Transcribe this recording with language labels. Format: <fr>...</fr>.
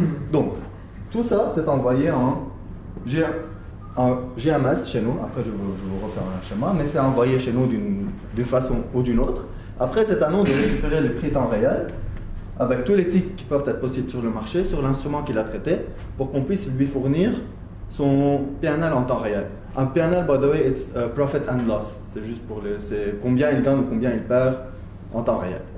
<fr>Donc, tout ça, c'est envoyé en GMS chez nous. Après, je vous refais un schéma, mais c'est envoyé chez nous d'une façon ou d'une autre. Après, c'est à nous de récupérer le prix temps réel, avec tous les tics qui peuvent être possibles sur le marché, sur l'instrument qu'il a traité, pour qu'on puisse lui fournir son PNL en temps réel.</fr> <en>Un PNL, by the way, it's profit and loss.</en> <fr>C'est juste c'est combien il gagne ou combien il perd en temps réel.</fr>